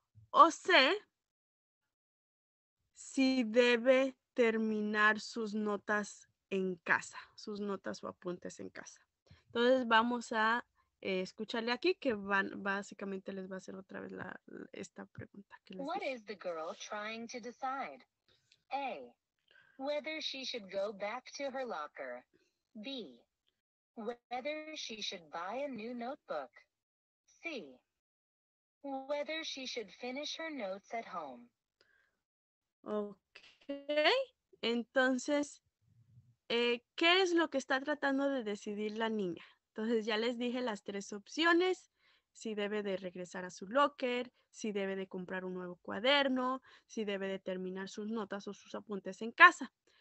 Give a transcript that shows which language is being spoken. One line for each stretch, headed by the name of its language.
Spanish: O C, si debe terminar sus notas en casa, sus notas o apuntes en casa. Entonces vamos a escucharle aquí que van, básicamente les va a hacer otra vez esta pregunta. Que les
English: What dice. Is the girl trying to decide? A, whether she should go back to her locker. B, whether she should buy a new notebook. C, whether she should finish her notes at home.
Spanish: Ok, entonces, ¿qué es lo que está tratando de decidir la niña? Entonces ya les dije las tres opciones, si debe de regresar a su locker, si debe de comprar un nuevo cuaderno, si debe de terminar sus notas o sus apuntes en casa.